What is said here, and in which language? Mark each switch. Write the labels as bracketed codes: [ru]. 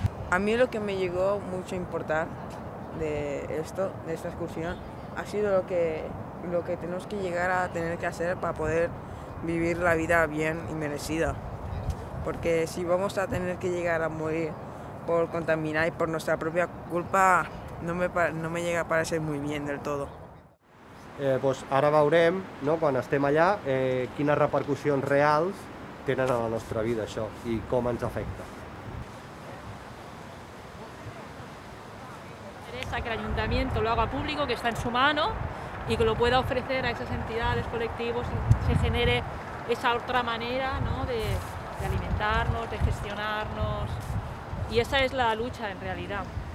[es] A mí lo que me llegó mucho a importar de esto, de esta excursión, ha sido lo que tenemos que llegar a tener que hacer para poder vivir la vida bien y merecida. Porque si vamos a tener que llegar a morir por contaminar y por nuestra propia culpa, no me llega a parecer muy bien del todo. [ca] Pues ara veurem, no, quan estem allà, quines repercussions reals tenen a la nostra vida això i com ens afecta. [es] Que el ayuntamiento lo haga público, que está en su mano y que lo pueda ofrecer a esas entidades, colectivos y se genere esa otra manera, ¿no? de alimentarnos, de gestionarnos y esa es la lucha en realidad.